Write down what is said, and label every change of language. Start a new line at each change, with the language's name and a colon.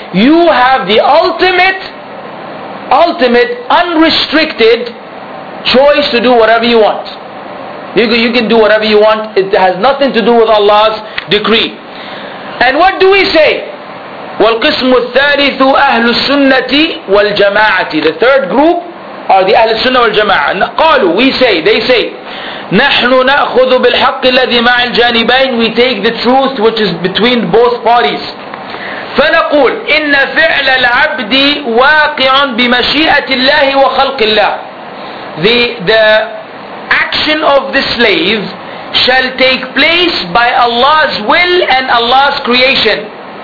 English: You have the ultimate unrestricted choice to do whatever you want. You can do whatever you want. It has nothing to do with Allah's decree. And what do we say?
Arabic: وَالْقِسْمُ الثَّالِثُ أَهْلُ السُّنَّةِ وَالْجَمَاعَةِ.
English: The third group are the
Arabic: أهل السنة والجماعة. قالوا,
English: we say, they say,
Arabic: نَحْنُ نَأْخُذُ بِالْحَقِّ الَّذِي مَعَ الْجَانِبَيْنِ.
English: We take the truth which is between both parties.
Arabic: فَنَقُولْ إِنَّ فِعْلَ الْعَبْدِ وَاقِعٌ بِمَشِيئَةِ اللَّهِ وَخَلْقِ اللَّهِ.
English: The action of the slave shall take place by Allah's will and Allah's creation.